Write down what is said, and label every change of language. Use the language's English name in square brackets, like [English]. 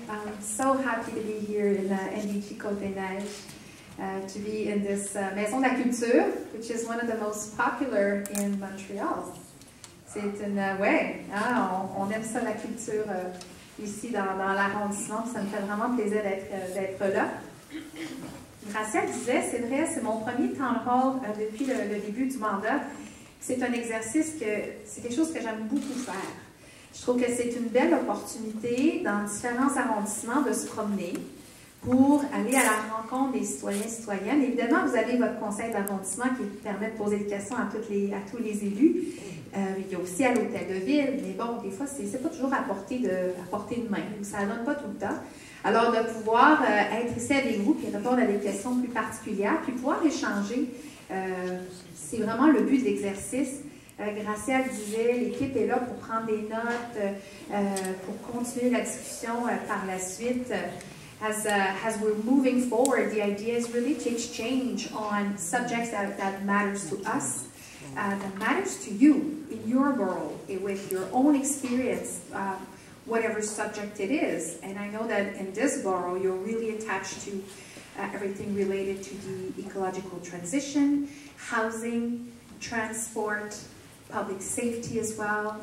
[English] I'm so happy to be here in NDG Côte-des-Neiges, to be in this Maison de la Culture, which is one of the most popular in Montreal. [French] C'est une... on aime ça, la culture, ici, dans l'arrondissement. Ça me fait vraiment plaisir d'être là. Raciel disait, c'est vrai, c'est mon premier temps de rôle depuis le début du mandat. C'est un exercice c'est quelque chose que j'aime beaucoup faire. Je trouve que c'est une belle opportunité dans différents arrondissements de se promener pour aller à la rencontre des citoyens et citoyennes. Évidemment, vous avez votre conseil d'arrondissement qui permet de poser des questions à tous les élus. Il y a aussi à l'hôtel de ville, mais bon, des fois, c'est pas toujours à portée de main. Ça ne donne pas tout le temps. Alors, de pouvoir être ici avec vous et répondre à des questions plus particulières, puis pouvoir échanger. C'est vraiment le but de l'exercice. Graciel disait, l'équipe est là pour prendre des notes, pour continuer la discussion par la suite. [English] As we're moving forward, the idea is really to exchange on subjects that matters to us, that matters to you in your world, with your own experience, whatever subject it is. And I know that in this borough, you're really attached to everything related to the ecological transition, housing, transport, public safety as well.